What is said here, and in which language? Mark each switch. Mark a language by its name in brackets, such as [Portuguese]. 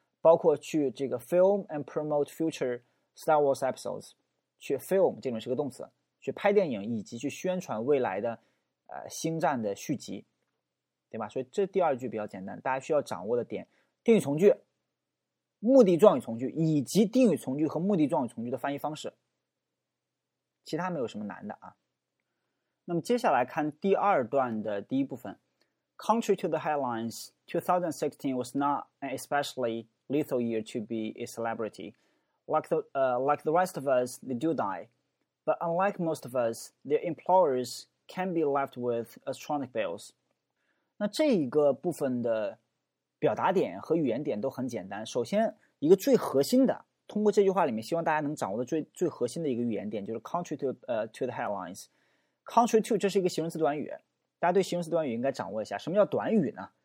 [Chinese] 包括去这个 [English] film and promote future Star Wars episodes， [Chinese] 去 film 这里面是个动词，去拍电影以及去宣传未来的星战的续集，对吧？所以这第二句比较简单，大家需要掌握的点，定语从句、目的状语从句以及定语从句和目的状语从句的翻译方式，其他没有什么难的啊。那么接下来看第二段的第一部分。 [English] Contrary to the headlines, 2016 was not an especially lethal year to be a celebrity. Like the rest of us, they do dieBut unlike most of us, their employers can be left with astronomical bills. [Chinese] 那这一个部分的表达点和语言点都很简单。首先，一个最核心的通过这句话里面，希望大家能掌握的最核心的一个语言点，就是 [English] contrary to the headlines。 [Chinese] contrary to 这是一个形容词短语，大家对形容词短语应该掌握一下。什么叫短语呢？